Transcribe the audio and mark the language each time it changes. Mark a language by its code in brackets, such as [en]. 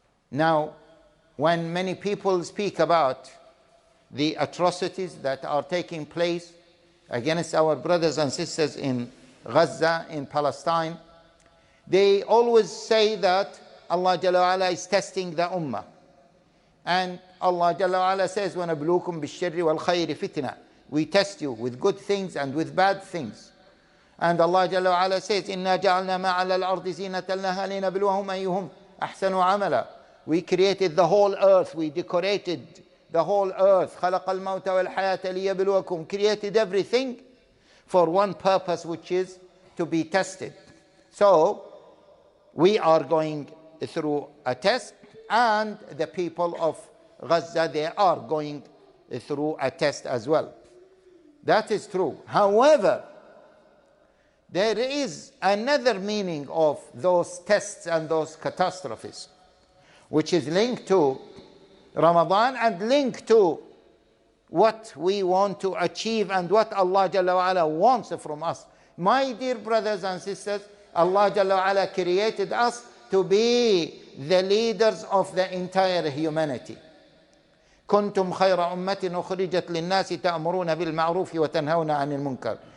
[en] Now, when many people speak about the atrocities that are taking place against our brothers and sisters in Gaza, in Palestine, they always say that Allah Jalla wa Ala is testing the Ummah. And Allah Jalla wa Ala says, [ar] وَنَبْلُوكُمْ بِالشَّرِّ وَالْخَيْرِ فِتْنَةً. [en] We test you with good things and with bad things. And Allah Jalla wa Ala says, [ar] إِنَّا جَعَلْنَا مَا عَلَى الْأَرْضِ زِينَةً لَهَا لِنَبْلُوهُمْ أَيُّهُمْ أَحْسَنُ عَمَلًا. [en] We created the whole earth, we decorated the whole earth, [ar] خلق الموت والحياة ليبلوكم, [en] created everything for one purpose, which is to be tested. So we are going through a test, and the people of Gaza, they are going through a test as well. That is true. However, there is another meaning of those tests and those catastrophes, which is linked to Ramadan and linked to what we want to achieve and what Allah Jalla wa Ala wants from us. My dear brothers and sisters, Allah Jalla wa Ala created us to be the leaders of the entire humanity. [ar] كنتم خير أمة أخرجت للناس تأمرون بالمعروف وتنهون عن المنكر.